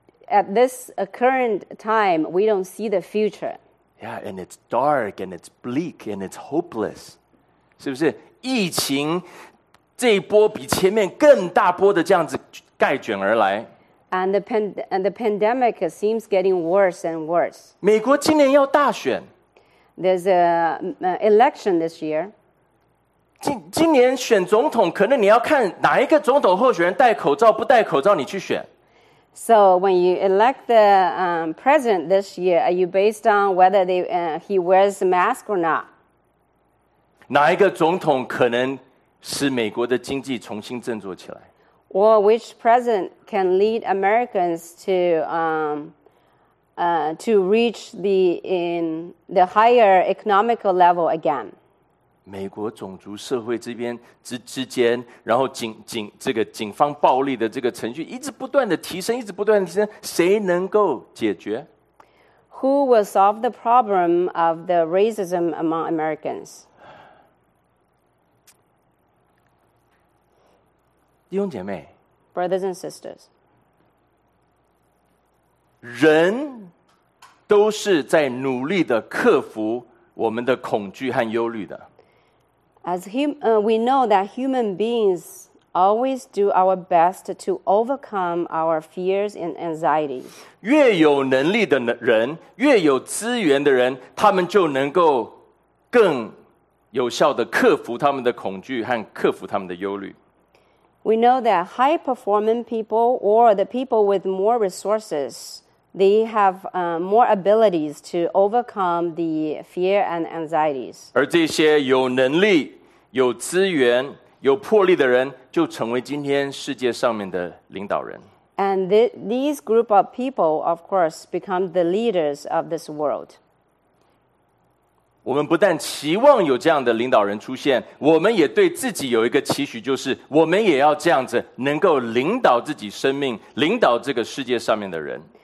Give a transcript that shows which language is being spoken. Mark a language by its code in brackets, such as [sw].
[en] At this current time, we don't see the future. Yeah, and it's dark, and it's bleak, and it's hopeless. [zh] 是不是疫情？这一波比前面更大波的这样子盖卷而来。 [en] And the pandemic seems getting worse and worse. [zh] 美国今年要大选。 [en] There's an election this year. [zh] 今年选总统，可能你要看哪一个总统候选人戴口罩不戴口罩，你去选。 [en] So when you elect the president this year, are you based on whether he wears a mask or not? [zh] 哪一个总统可能使美国的经济重新振作起来。 [en] Or which president can lead Americans to to reach the in the higher economical level again. [zh] 美国种族社会这边 之间，然后 警方暴力的这个程序一直不断的提升，一直不断的提升，谁能够解决？ [en] Who will solve the problem of the racism among Americans? [zh] 弟兄姐妹 [en] ，Brothers and sisters， [zh] 人都是在努力的克服我们的恐惧和忧虑的。 [en] As we know that human beings always do our best to overcome our fears and anxiety. [zh] 越有能力的人，越有资源的人，他们就能够更有效地克服他们的恐惧和克服他们的忧虑。 [en] We know that high-performing people or the people with more resources, they have more abilities to overcome the fear and anxieties. [zh] 而这些有能力有资源有魄力的人就成为今天世界上面的领导人。 [en] And these group of people, of course, become the leaders of this world. [zh] 我们不但期望有这样的领导人出现，我们也对自己有一个期许，就是我们也要这样子能够领导自己生命，领导这个世界上面的人。